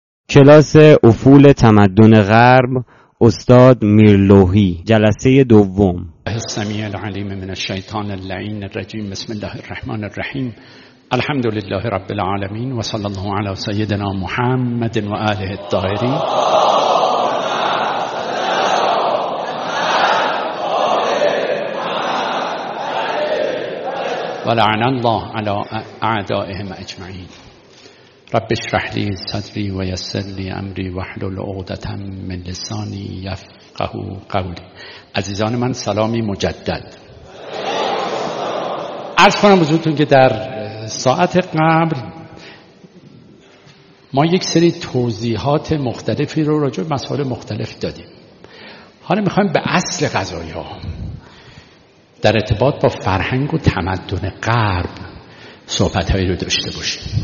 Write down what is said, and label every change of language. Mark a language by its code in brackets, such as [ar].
[fa] کلاس افول تمدن غرب، استاد میرلوهی، جلسه دوم. [ar] السميع العليم من الشيطان اللعين الرجيم، بسم الله الرحمن الرحيم، الحمد لله رب العالمين، وصلى الله على سيدنا محمد وآله الطاهرين. ولعن الله على أعدائهم أجمعين. رب اشرح لي صدري ويسر لي أمري واحلل عقدة من لساني يفقهوا قولي. [fa] عزیزان من سلامی مجدد. عرض کنم حضورتون که در ساعت قبل ما یک سری توضیحات مختلفی رو راجع به مسائل مختلف دادیم. حالا میخوایم به اصل قضایا در ارتباط با فرهنگ و تمدن غرب صحبتهایی رو داشته باشیم.